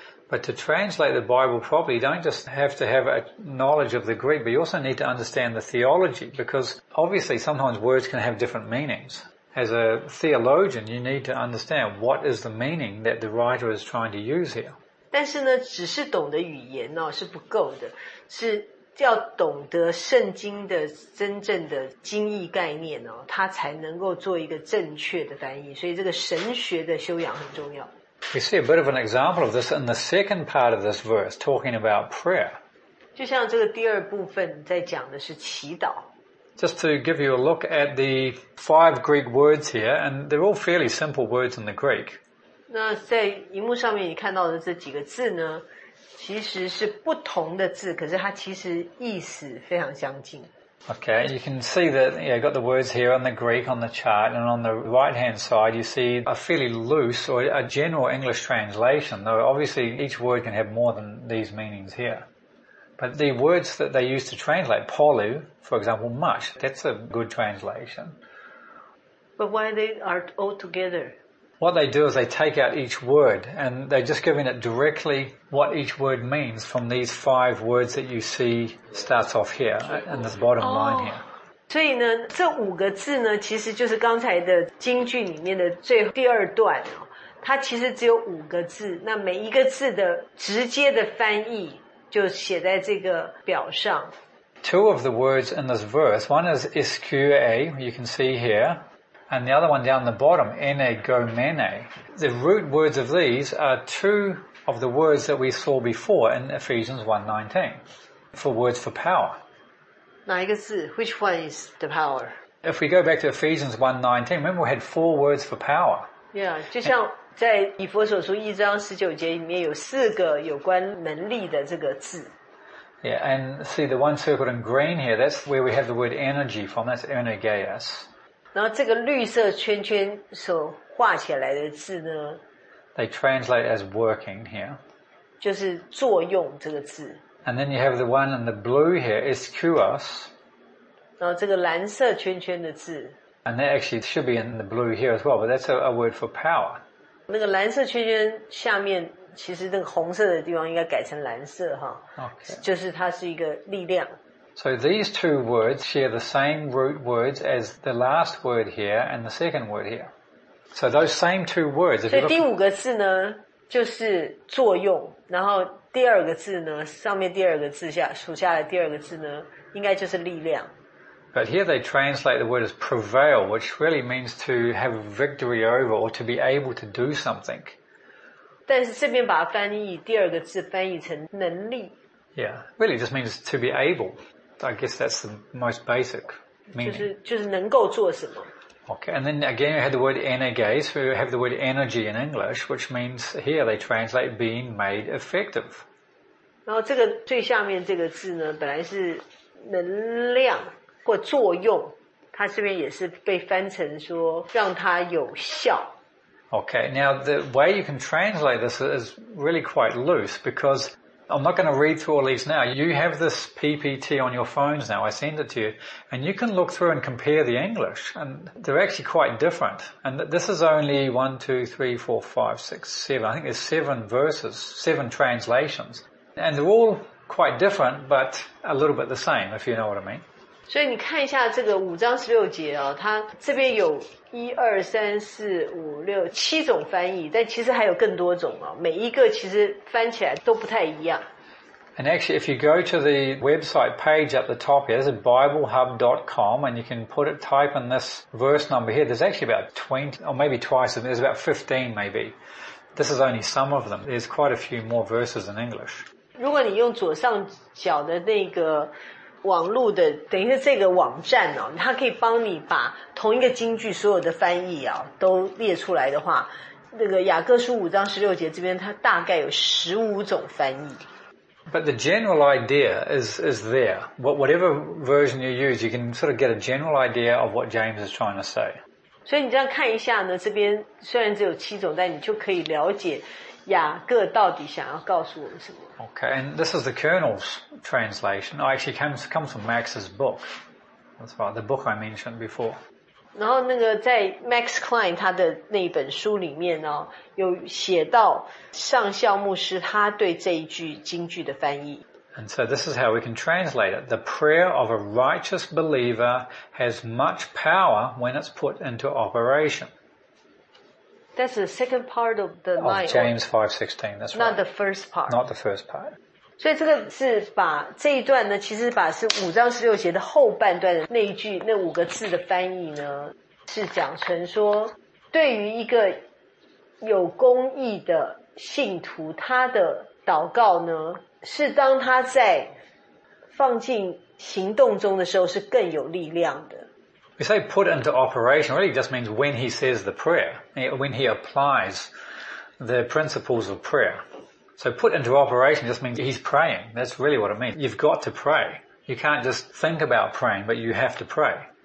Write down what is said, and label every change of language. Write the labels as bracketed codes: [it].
[en] But to translate the Bible properly, you don't just have to have a knowledge of the Greek, but you also need to understand the theology, because obviously sometimes words can have different meanings. As a theologian, you need to understand what is the meaning that the writer is trying to use here. [zh] 但是呢，只是懂得语言哦，是不够的，是要懂得圣经的真正的经义概念哦，它才能够做一个正确的翻译。所以这个神学的修养很重要。 [en] We see a bit of an example of this in the second part of this verse, talking about prayer. [zh] 就像这个第二部分在讲的是祈祷。 [en] Just to give you a look at the five Greek words here, and they're all fairly simple words in the Greek. [zh] 那在荧幕上面你看到的这几个字呢，其实是不同的字，可是它其实意思非常相近。 [en] Okay, you can see that, yeah, you've got the words here on the Greek on the chart, and on the right-hand side, you see a fairly loose or a general English translation, though obviously each word can have more than these meanings here. But the words that they used to translate, polu, for example, much, that's a good translation. But why they are all together? What they do is they take out each word, and they're just giving it directly what each word means from these five words that you see starts off here, in this bottom line here. [zh] 所以呢，这五个字呢，其实就是刚才的经句里面的最第二段哦。它其实只有五个字，那每一个字的直接的翻译就写在这个表上。 [en] Two of the words in this verse, one is SQA, you can see here,And the other one down the bottom, energomene. The root words of these are two of the words that we saw before in Ephesians 1:19 for words for power. [zh] 哪一个字? [en] Which one is the power? If we go back to Ephesians 1:19, remember we had four words for power. [zh] Yeah, 就像在以弗所书一章十九节里面有四个有关能力的这个字。 [en] Yeah, and see the one circled in green here, that's where we have the word energy from, that's energeias. [zh] 然后这个绿色圈圈所画起来的字呢 [en] ？They translate as working here. [zh] 就是作用这个字。 [en] And then you have the one in the blue here, is kuos. [zh] 然后这个蓝色圈圈的字。 [en] And that actually should be in the blue here as well, but that's a word for power. [zh] 那个蓝色圈圈下面，其实那个红色的地方应该改成蓝色哈。 [en] Okay. [zh] 就是它是一个力量。 [en] So these two words share the same root words as the last word here and the second word here. So those same two words. [zh] 所以第五个字呢，就是作用。然后第二个字呢，上面第二个字下数下来第二个字呢，应该就是力量。 [en] But here they translate the word as prevail, which really means to have victory over or to be able to do something. [zh] 但是这边把它翻译第二个字翻译成能力。 [en] Yeah, really just means to be able. I guess that's the most basic meaning. [zh] 就是能够做什么。 [en] Okay, and then again we have the word energies, we have the word energy in English, which means here they translate being made effective. [zh] 然后这个最下面这个字呢，本来是能量或作用，它这边也是被翻成说让它有效。 [en] Okay, now the way you can translate this is really quite loose because I'm not going to read through all these now. You have this PPT on your phones now. I send it to you. And you can look through and compare the English. And they're actually quite different. And this is only 1, 2, 3, 4, 5, 6, 7. I think there's 7 verses, 7 translations. And they're all quite different, but a little bit the same, if you know what I mean. [zh] 所以你看一下这个5章16节啊，它这边有一二三四五六七种翻译，但其实还有更多种啊，每一个其实翻起来都不太一样。 [en] And actually, if you go to the website page at the top here, there's a BibleHub.com, and you can put it, type in this verse number here. There's actually about 20, or maybe twice, there's about 15 maybe. This is only some of them. There's quite a few more verses in English. [zh] 如果你用左上角的那个网路的等于是这个网站哦，它可以帮你把同一个经句所有的翻译啊都列出来的话，那个雅各书五章十六节这边它大概有十五种翻译。 [en] But the general idea is there. Whatever version you use, you can sort of get a general idea of what James is trying to say. [zh] 所以你这样看一下呢，这边虽然只有七种，但你就可以了解雅各到底想要告诉我们什么。 [en] Okay, and this is the Colonel's translation. Oh, actually, comes from Max's book. That's right, the book I mentioned before. [zh] 然后那个在 Max Klein 他的那本书里面哦，有写到上校牧师他对这一句经句的翻译。 [en] And so this is how we can translate it. The prayer of a righteous believer has much power when it's put into operation. That's the second part of the line. Of James 5:16, that's right. Not the first part. Not the first part. [zh] 所以这个是把这一段呢，其实把是五章十六节的后半段的那一句那五个字的翻译呢，是讲成说，对于一个有公义的信徒，他的祷告呢，是当他在放进行动中的时候，是更有力量的。 [en] We say put into operation, really just means when he says the prayer, when he applies the principles of prayer. So put into operation just means he's praying. That's really what it means. You've got to pray. You can't just think about praying, but you have to pray.